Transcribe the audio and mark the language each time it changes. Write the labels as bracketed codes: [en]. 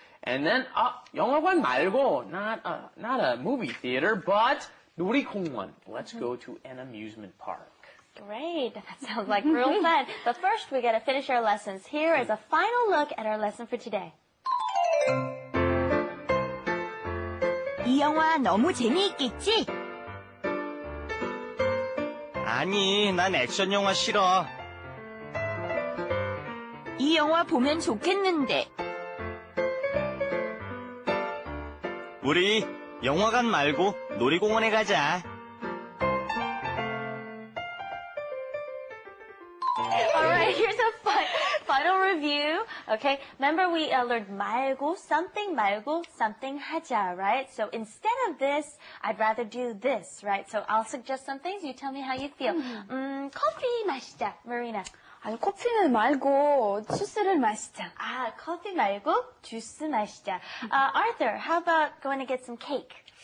[en] And then [ko] 영화관 말고, [en] not a movie theater, but 놀이공원. Let's go to an amusement park. Great, that sounds like real fun. But first, we got to finish our lessons. Here is a final look at our lesson for today. [ko] 이 영화 너무 재미있겠지? 아니, 난 액션 영화 싫어. 이 영화 보면 좋겠는데. 우리 영화관 말고 놀이공원에 가자. [en] Alright, here's a final review. Okay, remember we learned 말고 something 하자, right? So instead of this, I'd rather do this, right? So I'll suggest some things. You tell me how you feel. [ko] 커피 마시자, [en] Marina. [ko] 아니, 커피는 말고 주스를 마시자. 아, 커피 말고 주스 마시자. [en] Arthur, how about going to get some cake?